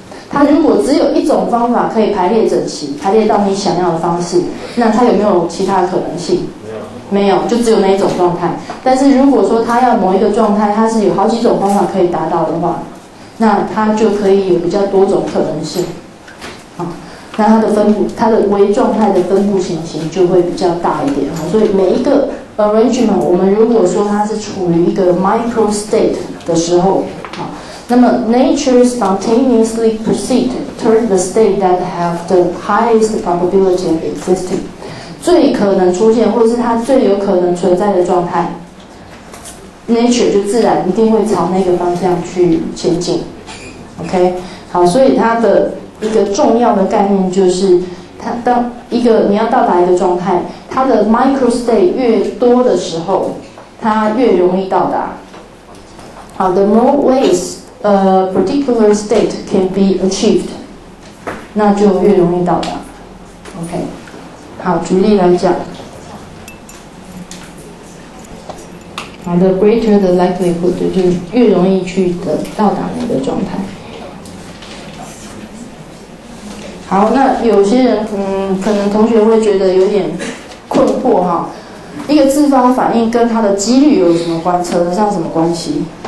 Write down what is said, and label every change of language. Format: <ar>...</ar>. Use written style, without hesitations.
<zh>它如果只有一种方法可以排列整齐，排列到你想要的方式，那它有没有其他可能性？没有，就只有那一种状态。但是如果说它要某一个状态，它是有好几种方法可以达到的话，那它就可以有比较多种可能性。那它的分布，它的微状态的分布情形就会比较大一点。所以每一个</zh> <en>arrangement，</en> <zh>我们如果说它是处于一个</zh> <en>micro state</en> <zh>的时候，那么</zh> <en>nature spontaneously proceed toward the state that have the highest probability of existing。</en> <zh>最可能出现，或是它最有可能存在的状态 ，nature 就自然一定会朝那个方向去前进。 OK， 好，所以它的一个重要的概念就是，它当一个你要到达一个状态，它的 microstate 越多的时候，它越容易到达。</zh> <en>好 ，the more ways a particular state can be achieved，</en> <zh>那就越容易到达。 OK。好，举例来讲，好 ，</zh> <en>the greater the likelihood，</en> <zh>就是越容易去的到达那个状态。好，那有些人可能同学会觉得有点困惑哈，一个自发反应跟它的几率有什么关扯得上什么关系？</zh>